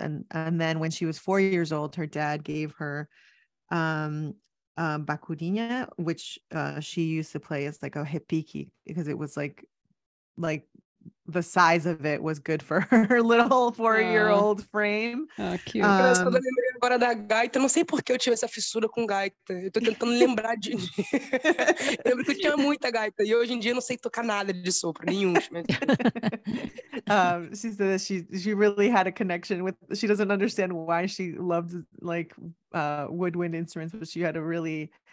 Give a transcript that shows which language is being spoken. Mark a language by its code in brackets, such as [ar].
[en] And then when she was 4 years old, her dad gave her bacurinha, which she used to play as like a hippiki, because it was like the size of it was good for her little 4-year-old frame. Cute. [pt] Eu lembrei agora da gaita. Não sei por que eu tive essa fissura com gaita. Eu tô tentando lembrar de... Eu lembro que eu tinha muita gaita. E hoje em dia eu não sei tocar nada de sopro. Nenhum. [en] She said that she really had a connection with... She doesn't understand why she loved, like, woodwind instruments. But she had a really...